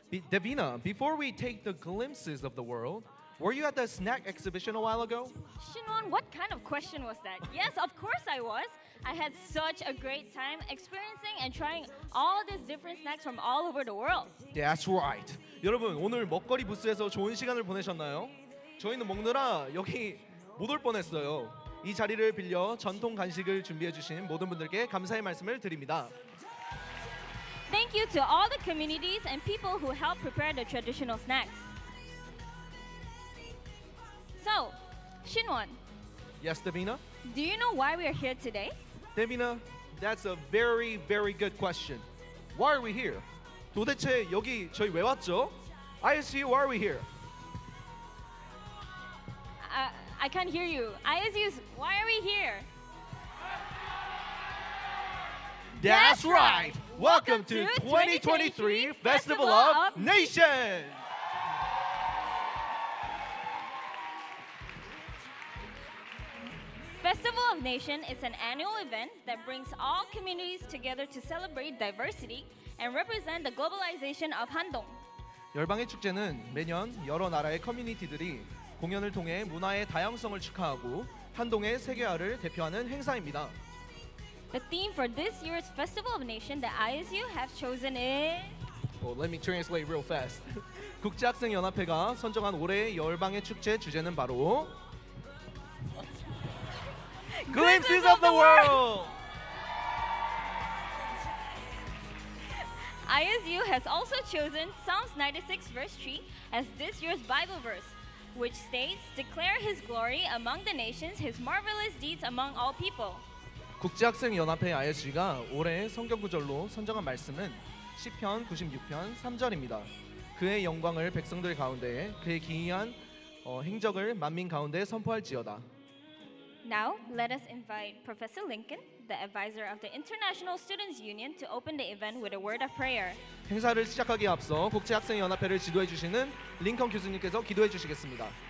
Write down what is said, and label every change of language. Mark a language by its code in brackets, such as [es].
[en] Davina, before we take the glimpses of the world, were you at the snack exhibition a while ago? Shinwon, what kind of question was that? Yes, of course I was. I had such a great time experiencing and trying all these different snacks from all over the world. That's right. [ko] 여러분, 오늘 먹거리 부스에서 좋은 시간을 보내셨나요? 저희는 먹느라 여기 못 올 뻔했어요. 이 자리를 빌려 전통 간식을 준비해 주신 모든 분들께 감사의 말씀을 드립니다. [en] Thank you to all the communities and people who helped prepare the traditional snacks. So, Shinwon. Yes, Davina? Do you know why we are here today? Davina, that's a very, very good question. Why are we here? [ko] 도대체 여기 저희 왜 왔죠? [en] ISU, why are we here? I can't hear you. ISU, why are we here? That's right! Welcome to 2023 Festival of Nations! Festival of Nations is an annual event that brings all communities together to celebrate diversity and represent the globalization of Handong. [ko] 열방의 축제는 매년 여러 나라의 커뮤니티들이 공연을 통해 문화의 다양성을 축하하고 한동의 세계화를 대표하는 행사입니다. [en] The theme for this year's Festival of Nations that ISU have chosen is... Well, let me translate real fast. [ko] 국제학생연합회가 선정한 올해 열방의 축제 주제는 바로... [en] Glimpses of the World! ISU has also chosen Psalms 96 verse 3 as this year's Bible verse, which states, Declare His glory among the nations, His marvelous deeds among all people. [ko] 국제학생연합회 ISU가 올해 성경구절로 선정한 말씀은 시편 96편 3절입니다. 그의 영광을 백성들 가운데 그의 기이한 행적을 만민 가운데 선포할지어다. [en] Now, let us invite Professor Lincoln, the advisor of the International Students Union, to open the event with a word of prayer. [ko] 행사를 시작하기에 앞서 국제학생연합회를 지도해 주시는 링컨 교수님께서 기도해 주시겠습니다.